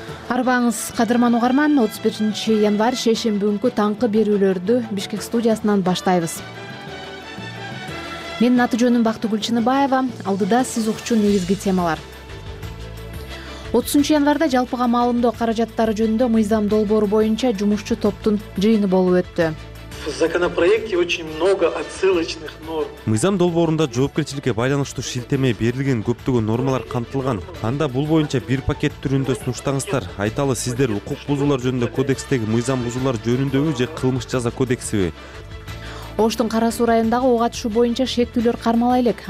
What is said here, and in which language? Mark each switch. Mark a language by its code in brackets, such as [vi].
[ky] Арбаңыз, кадырман угарман, 31 январ шешембүнкү таңкы берүүлөрдү Бишкек студиясынан баштайбыз. Менин аты жөнүм Бактыгүл Чыныбаева, алдыда сиз укчу негизги темалар. 30 январда жалпыга маалымдоо каражаттары жөнүндө мыйзам долбоору боюнча жумушчу топтун жыйыны болуп өттү. [ru] В законопроекте очень много отсылочных норм. [ky] Мыйзам долбоорунда жоопкерчиликке байланыштуу шилтеме берилген көптөгөн нормалар камтылган. Анда бул боюнча бир пакет түрүндө сунуштаңыздар. Айталы, сиздер укук бузуулар жөнүндө кодекстеги мыйзам бузуулар жөнүндөгү же кылмыш жаза кодексиби? Оштун Карасуу районундагы ого атышуу боюнча шектүүлөр кармала элек.